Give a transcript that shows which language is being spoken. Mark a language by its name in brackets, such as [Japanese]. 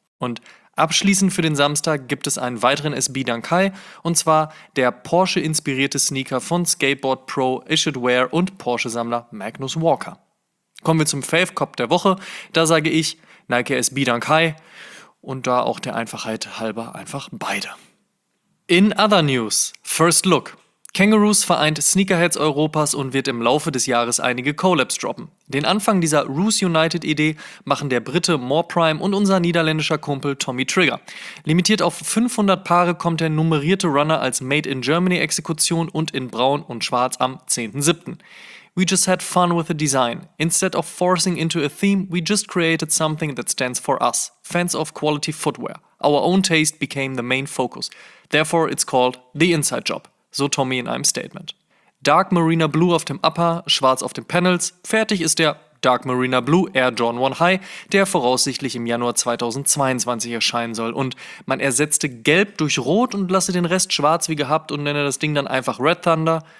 [German] Und abschließend für den Samstag gibt es einen weiteren SB Dunk High und zwar der Porsche-inspirierte Sneaker von Skateboard Pro Ishit Ware und Porsche-Sammler Magnus Walker. Kommen wir zum Fave-Cop der Woche. Da sage ich Nike SB Dunk High. Und da auch der Einfachheit halber einfach beide. [English] In other news, first look. [German] Kangaroos vereint Sneakerheads Europas und wird im Laufe des Jahres einige Collabs droppen. Den Anfang dieser Roos United Idee machen der Brite More Prime und unser niederländischer Kumpel Tommy Trigger. Limitiert auf 500 Paare kommt der nummerierte Runner als Made in Germany Exekution und in Braun und Schwarz am 10.7. [English] We just had fun with the design. Instead of forcing into a theme, we just created something that stands for us. Fans of quality footwear. Our own taste became the main focus. Therefore, it's called the inside job. [German] So Tommy in einem Statement. Dark Marina Blue auf dem Upper, schwarz auf den Panels. Fertig ist der Dark Marina Blue Air Jordan 1 High, der voraussichtlich im Januar 2022 erscheinen soll. Und man ersetzte Gelb durch Rot und lasse den Rest schwarz wie gehabt und nenne das Ding dann einfach Red Thunder.